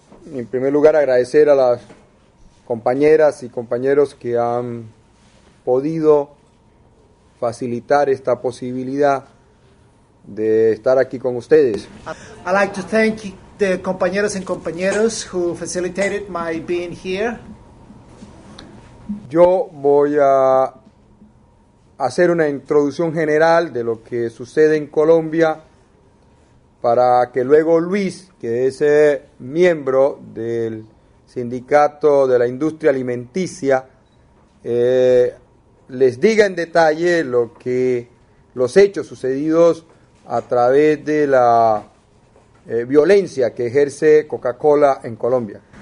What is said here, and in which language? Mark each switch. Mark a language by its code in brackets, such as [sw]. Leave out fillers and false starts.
[es] En primer lugar, agradecer a las compañeras y compañeros que han podido facilitar esta posibilidad de estar aquí con ustedes. [en] I'd like to thank the compañeros and compañeros who facilitated my being here. [es] Yo voy a hacer una introducción general de lo que sucede en Colombia, para que luego Luis, que es miembro del sindicato de la industria alimenticia, les diga en detalle lo que los hechos sucedidos a través de la violencia que ejerce Coca-Cola en Colombia.